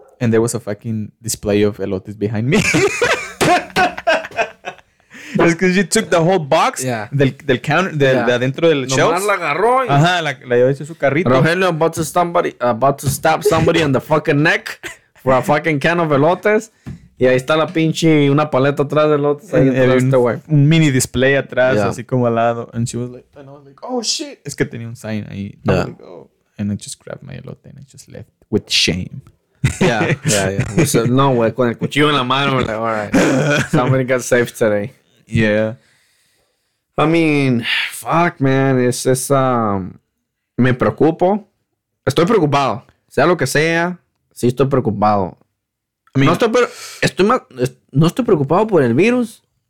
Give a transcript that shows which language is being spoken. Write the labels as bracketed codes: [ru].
[en] And there was a fucking display of elotes behind me. It's because she took the whole box del counter, [es] de adentro del [en] shelf. [es] Nomás la agarró. Y... Ajá, la llevó hecho su carrito. [en] Rogelio, about to stab somebody in the fucking neck for a fucking can of elotes. [es] Y ahí está la pinche una paleta atrás del otro. Ahí un mini display atrás, así como al lado. [en] And she was like, oh shit. [es] Es que tenía un sign ahí. [en] Yeah. And I just grabbed my elote and I just left with shame. Yeah. [es] So, no, güey, con el cuchillo en la mano. [en] Like, all right. Somebody got saved today. Yeah. I mean, fuck, man. [es] Es esa. Me preocupo. Estoy preocupado. Sea lo que sea, sí estoy preocupado. No estoy preocupado por el virus.